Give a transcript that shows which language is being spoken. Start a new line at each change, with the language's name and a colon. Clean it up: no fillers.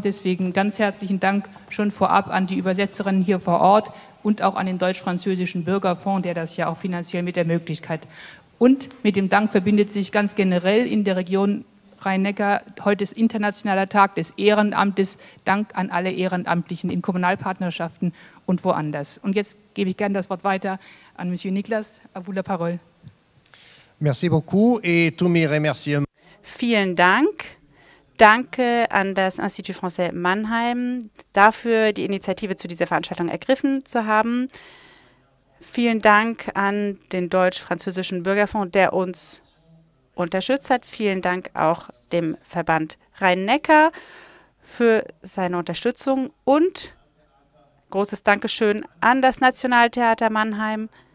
German: Deswegen ganz herzlichen Dank schon vorab an die Übersetzerinnen hier vor Ort und auch an den Deutsch-Französischen Bürgerfonds, der das ja auch finanziell mit der Möglichkeit. Und mit dem Dank verbindet sich ganz generell in der Region Rhein-Neckar, heute ist internationaler Tag des Ehrenamtes. Dank an alle Ehrenamtlichen in Kommunalpartnerschaften und woanders. Und jetzt gebe ich gerne das Wort weiter an Monsieur Niklas.
French: A vous la parole. Merci beaucoup et tous mes remerciements.
German: Vielen Dank. Danke an das Institut Français Mannheim dafür, die Initiative zu dieser Veranstaltung ergriffen zu haben. Vielen Dank an den Deutsch-Französischen Bürgerfonds, der uns unterstützt hat. Vielen Dank auch dem Verband Rhein-Neckar für seine Unterstützung und großes Dankeschön an das Nationaltheater Mannheim.